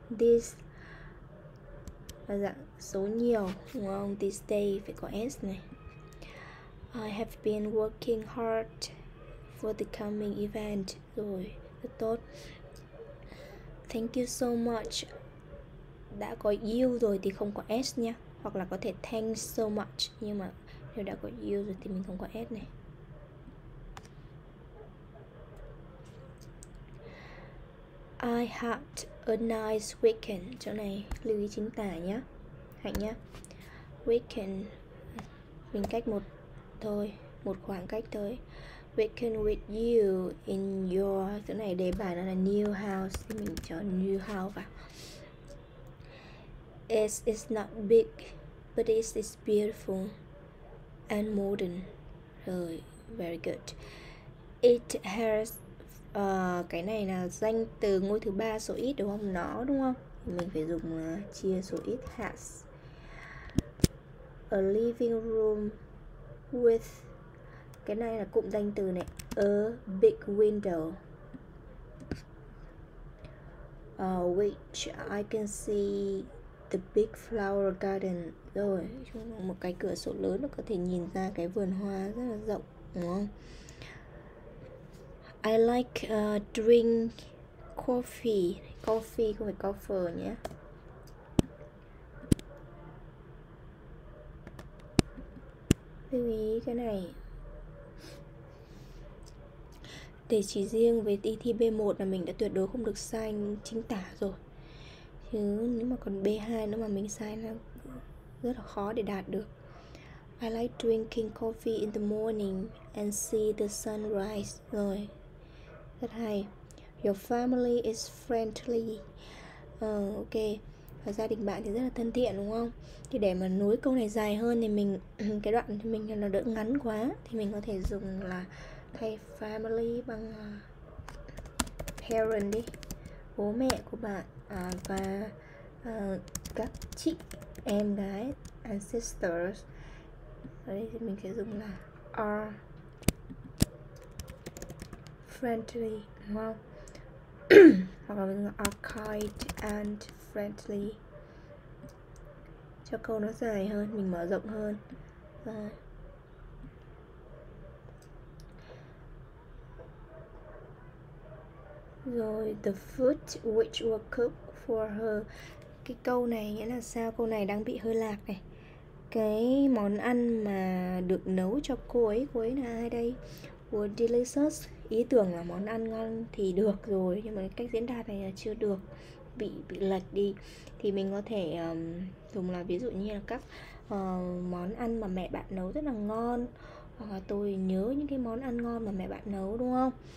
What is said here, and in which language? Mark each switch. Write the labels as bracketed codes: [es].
[vi] This là dạng số nhiều đúng không? [en] This day [vi] phải có s này. [en] I have been working hard for the coming event. [vi] Rồi, rất tốt. [en] Thank you so much. [vi] Đã có you rồi thì không có s nha. Hoặc là có thể [en] thanks so much, [vi] nhưng mà nếu đã có you rồi thì mình không có s này. [en] I had a nice weekend. [vi] Chỗ này lưu ý chính tả nhé, Hạnh nhé. Weekend mình cách một thôi, một khoảng cách thôi. [en] Weekend with you in your, [vi] chỗ này đề bài nó là new house thì mình cho new house vào. [en] It's not big but it's beautiful and modern. Rồi, very good. It has [vi] cái này là danh từ ngôi thứ ba số ít đúng không, nó đúng không, thì mình phải dùng chia số ít. [en] Has a living room with, [vi] cái này là cụm danh từ này, [en] a big window which I can see the big flower garden. [vi] Rồi, một cái cửa sổ lớn nó có thể nhìn ra cái vườn hoa rất là rộng đúng không? [en] I like drink coffee, [vi] không phải coffee nhé. Lưu ý cái này để chỉ riêng về đi thi B1 là mình đã tuyệt đối không được sai chính tả rồi, chứ nếu mà còn B2 nữa mà mình sai là rất là khó để đạt được. [en] I like drinking coffee in the morning and see the sunrise. [vi] Rồi. Rất hay. [en] Your family is friendly. Ok. [vi] Và gia đình bạn thì rất là thân thiện đúng không? Thì để mà nối câu này dài hơn thì mình cái đoạn thì mình nó đỡ ngắn quá thì mình có thể dùng là thay family bằng parent đi. Bố mẹ của bạn và các chị em gái ancestors. Ở đây thì mình sẽ dùng là [en] are friendly [vi] đúng không? Hoặc là mình [en] are kind and friendly. [vi] Cho câu nó dài hơn, mình mở rộng hơn. [en] Rồi the food which was cooked for her. [vi] Cái câu này nghĩa là sao? Câu này đang bị hơi lạc này. Cái món ăn mà được nấu cho cô ấy là ai đây? [en] Was delicious. [vi] Ý tưởng là món ăn ngon thì được rồi, nhưng mà cách diễn đạt này là chưa được, bị lệch đi. Thì mình có thể dùng là ví dụ như là các món ăn mà mẹ bạn nấu rất là ngon, hoặc là tôi nhớ những cái món ăn ngon mà mẹ bạn nấu đúng không?